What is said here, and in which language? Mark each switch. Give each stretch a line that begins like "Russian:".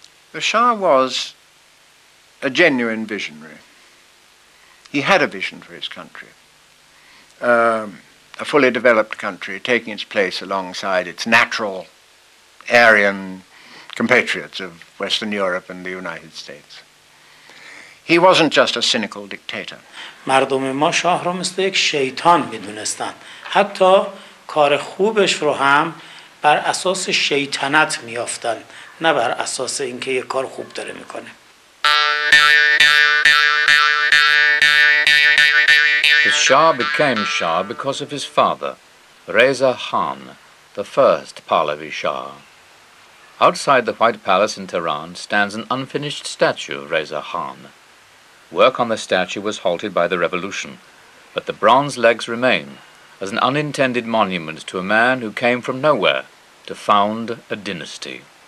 English: The Shah was a genuine visionary. He had a vision for his country. A fully developed country taking its place alongside its natural Aryan compatriots of Western Europe and the United States. He wasn't just a cynical dictator.
Persian: مردم ما شاه رو مثل یک شیطان میدونستن. حتی کار خوبش رو هم بر اساس شیطنت میافتن، نه بر اساس اینکه یک کار خوب داره میکنه.
English: The Shah became Shah because of his father, Reza Khan, the first Pahlavi Shah. Outside the White Palace in Tehran stands an unfinished statue of Reza Khan. Work on the statue was halted by the revolution, but the bronze legs remain as an unintended monument to a man who came from nowhere to found a dynasty.